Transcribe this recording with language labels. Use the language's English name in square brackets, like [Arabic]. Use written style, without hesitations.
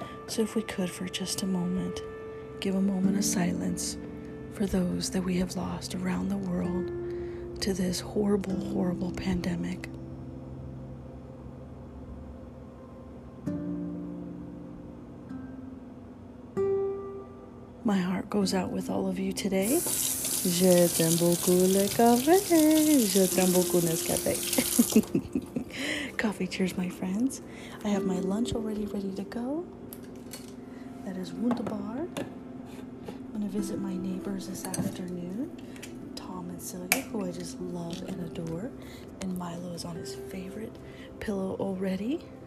[English] So if we could, for just a moment, give a moment of silence for those that we have lost around the world to this horrible, horrible pandemic. My heart goes out with all of you today. [French] Je t'aime beaucoup le café. Je t'aime beaucoup le café. [English] Coffee cheers, my friends. I have my lunch already ready to go. That is wunderbar. I'm going to visit my neighbors this afternoon, Tom and Celia, who I just love and adore. And Milo is on his favorite pillow already.